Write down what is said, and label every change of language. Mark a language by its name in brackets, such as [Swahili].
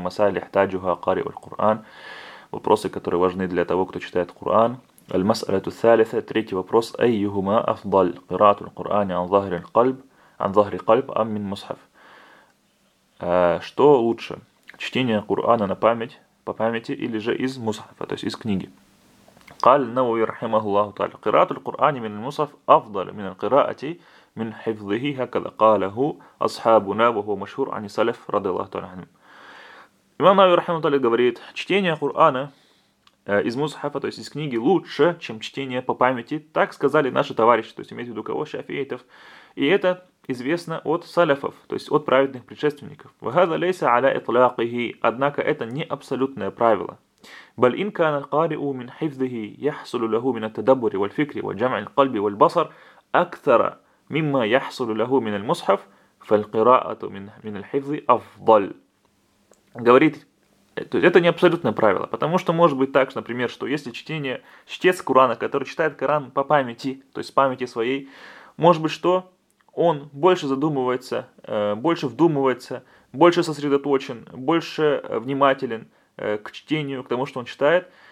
[Arabic] مسائل يحتاجها قارئ القرآن. [Russian] Вопросы, которые важны для того, кто читает Коран. [Arabic] المسألة الثالثة, [Russian] третий вопрос. [Arabic] أيهما أفضل, قراءة القرآن عن ظهر القلب, عن ظهر قلب أم من مصحف? [Russian] Что лучше, чтение Корана на память, по памяти, или же из мусхафа, то есть из книги? [Arabic] قال النووي رحمه الله تعالى قراءة القرآن من المصحف أفضل من القراءة من حفظه, هكذا قاله أصحابنا وهو مشهور عن سلف رضي الله تعالى عنهم. إمام النووي رحمه الله تعالى [Russian] говорит, чтение Корана из мусхафа, то есть из книги, лучше, чем чтение по памяти. Так сказали наши товарищи, то есть имеется в виду кого? Шафиитов. И это известно от салафов, то есть от праведных предшественников. [Arabic] وهذا ليس على إطلاقه, [Russian] однако это не абсолютное правило. [Arabic] بل إن كان القارئ من حفظه يحصل له من التدبر والفكر وجمع القلب والبصر أكثر مما يحصل له من المصحف فالقراءة من الحفظ أفضل. [Russian] Говорит, то есть это не абсолютное правило, потому что может быть так, например, что если чтение, чтец Корана, который читает Коран по памяти, то есть памяти своей, может быть, что он больше задумывается, больше вдумывается, больше сосредоточен, больше внимателен к чтению, к тому, что он читает.